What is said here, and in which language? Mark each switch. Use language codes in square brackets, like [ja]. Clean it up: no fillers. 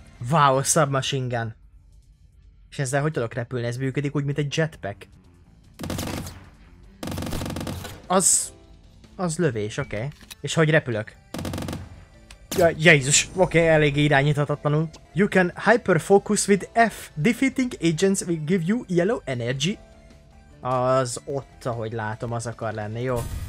[en] wow, submachine gun. [hu] És ezzel hogy tudok repülni? Ez működik úgy, mint egy jetpack. Az lövés, oké. Okay. És hogy repülök? Ja, Jézus, oké, okay, elég irányíthatatlanul. [en] You can hyperfocus with F. Defeating agents will give you yellow energy. [hu] Az ott, ahogy látom, az akar lenni, jó.